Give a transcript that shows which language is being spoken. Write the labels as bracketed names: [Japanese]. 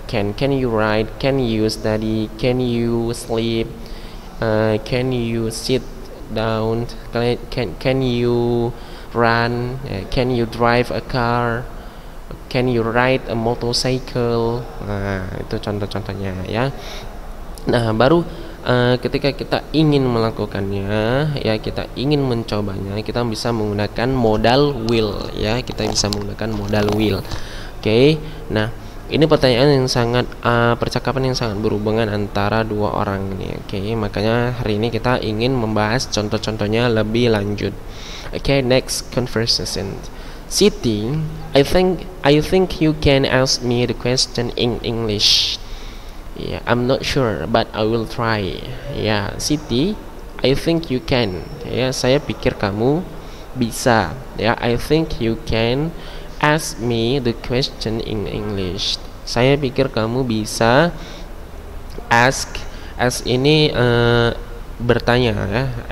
[English] Can you write, can you study, can you sleep, can you sit down, can you run, can you drive a car, can you ride a motorcycle. [Indonesian] Nah, itu contoh-contohnya ya. Nah, baru ketika kita ingin melakukannya ya, kita ingin mencobanya, kita bisa menggunakan modal will ya, kita bisa menggunakan modal will. Oke, okay? Nah, ini pertanyaan yang sangat percakapan yang sangat berhubungan antara dua orang ini. Oke, okay? Makanya hari ini kita ingin membahas contoh-contohnya lebih lanjut. [English] Oke, okay, next conversation. Siti, I think you can ask me the question in English. Yeah, I'm not sure, but I will try. Yeah, Siti, I think you can. [Indonesian] Yeah, saya pikir kamu bisa. [English] Yeah, I think you can ask me the question in English. [Indonesian] Saya pikir kamu bisa ask ini bertanya.